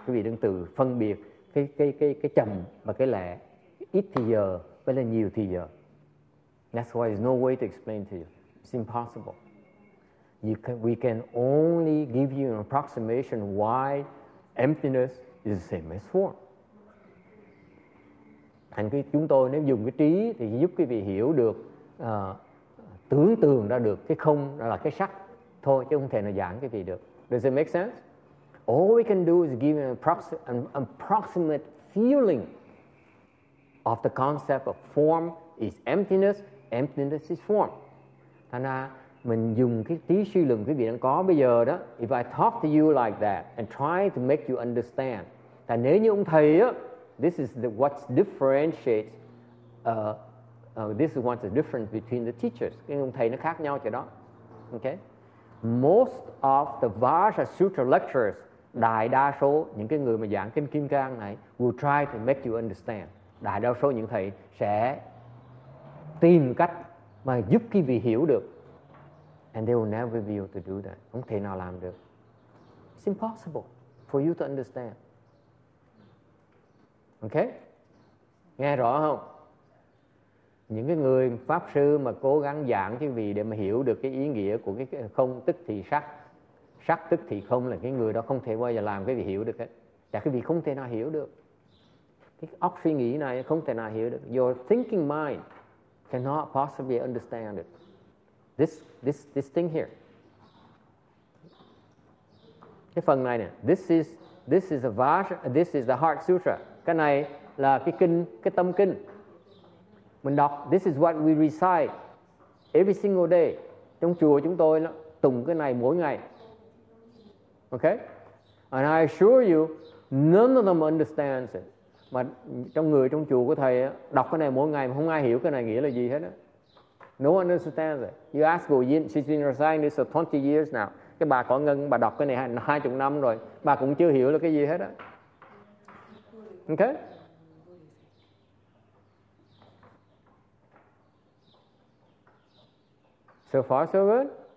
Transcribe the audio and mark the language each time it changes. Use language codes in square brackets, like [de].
[vi] Quý vị đừng tự phân biệt cái chậm và cái lẹ, ít thì giờ với là nhiều thì giờ. [en] That's why there's no way to explain to you. It's impossible. We can only give you an approximation why emptiness is the same as form. [vi] Thành cái chúng tôi nếu dùng cái trí thì giúp quý vị hiểu được, tưởng tượng ra được cái không là cái sắc thôi, chứ không thể nào giảng cái gì được. [en] Does it make sense? All we can do is give an approximate feeling of the concept of form is emptiness, emptiness is form. [vi] Thành ra mình dùng cái tí suy luận quý vị đang có bây giờ đó. [en] If I talk to you like that and try to make you understand, [vi] là nếu như ông thầy á, [en] this is what differentiates, this is what's the difference between the teachers. [vi] Cái ông thầy nó khác nhau chỗ đó. Okay. [en] Most of the Vajra Sutra lecturers, [vi] đại đa số những cái người mà giảng kinh Kim Cang này, [en] will try to make you understand. [vi] Đại đa số những thầy sẽ tìm cách mà giúp quý vị hiểu được. [en] And they will never be able to do that. [vi] Không thể nào làm được. [en] It's impossible for you to understand. Okay? Nghe rõ không? [vi] Những cái người pháp sư mà cố gắng giảng cho quý vị để mà hiểu được cái ý nghĩa của cái không tức thì sắc, sắc tức thì không, là cái người đó không thể bao giờ làm quý vị hiểu được hết. Chắc quý vị không thể nào hiểu được. Cái óc suy nghĩ này không thể nào hiểu được. [en] Your thinking mind cannot possibly understand it. This thing here. [vi] Cái phần này nè, [en] this is a Vajra, this is the Heart Sutra. [vi] Cái này là cái kinh, cái tâm kinh. Mình đọc, [en] this is what we recite every single day. [vi] Trong chùa chúng tôi tụng cái này mỗi ngày. [en] Okay? And I assure you, none of them understands it. [vi] Mà trong người trong chùa của thầy đọc cái này mỗi ngày mà không ai hiểu cái này nghĩa là gì hết á. [en] No one understands it. You ask Bo Yin, she's been reciting this for 20 years now. [vi] Cái bà có ngân, bà đọc cái này 20 năm rồi, bà cũng chưa hiểu là cái gì hết á. [en] Okay? So far so good?